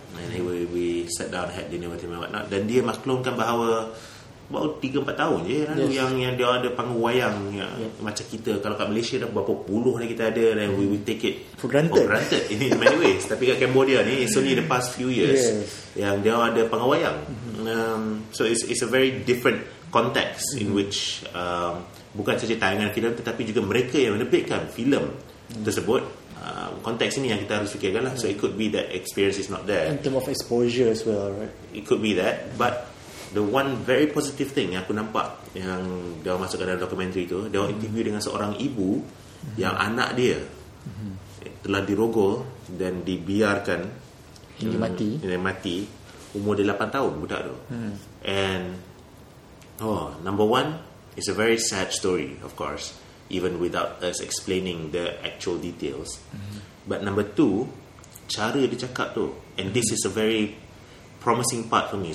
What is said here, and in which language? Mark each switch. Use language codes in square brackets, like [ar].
[en] And we sat down, had dinner with him and whatnot. [ms] Dan dia maklumkan bahawa baru 3-4 tahun je kan? Yes. Yang dia ada panggung wayang yeah. Macam kita, kalau kat Malaysia dah berapa puluh dah kita ada. [en] And we take it for granted, in many ways. [ms] Tapi kat Cambodia ni, [en] it's only the past few years [ms] yang dia ada panggung wayang. [en] So it's a very different context in which [ms] bukan saja tayangan filem, tetapi juga mereka yang menerbitkan filem tersebut. Konteks ini yang kita harus fikirkan lah. [en] So it could be that experience is not there in term of exposure as well, right? It could be that. But the one very positive thing [ms] yang aku nampak yang dia masuk ke dalam dokumentari itu, dia interview dengan seorang ibu yang anak dia telah dirogol dan dibiarkan hingga mati. Umur dia 8 tahun budak tu. [en] And number one, it's a very sad story, of course, even without us explaining the actual details. But number two, [ms] cara dia cakap tu, [en] and this is a very promising part for me.